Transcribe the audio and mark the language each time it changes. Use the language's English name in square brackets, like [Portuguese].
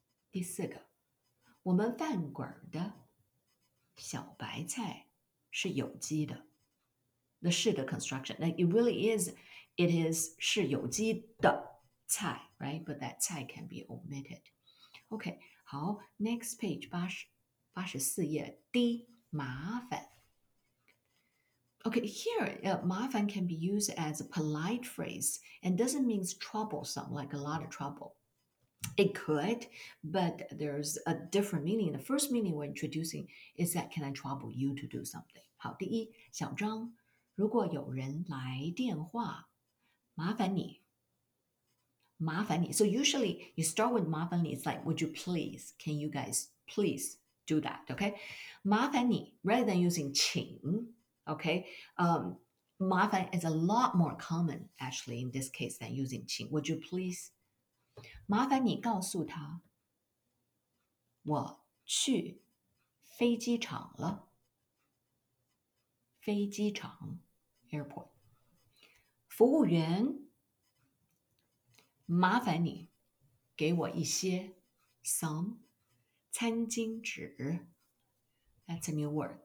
[Chinese] 第四个，我们饭馆的小白菜是有机的。 [English] The 是的 construction, like it really is, it is 是有机的菜 right? But that 菜 can be omitted. Okay, 好 next page, 84页 D, 麻烦。 Okay, here,麻烦 can be used as a polite phrase and doesn't mean troublesome, like a lot of trouble. It could, but there's a different meaning. The first meaning we're introducing is that can I trouble you to do something? 好第一小张如果有人来电话麻烦你麻烦你 So usually you start with 麻烦你 It's like, would you please, can you guys please do that, okay? 麻烦你 rather than using 请Okay, 麻烦 is a lot more common, actually, in this case than using 请 Would you please? [Chinese] 麻烦你告诉他我去飞机场了。飞机场 airport. 服务员麻烦你给我一些 some 餐巾纸。 That's a new word.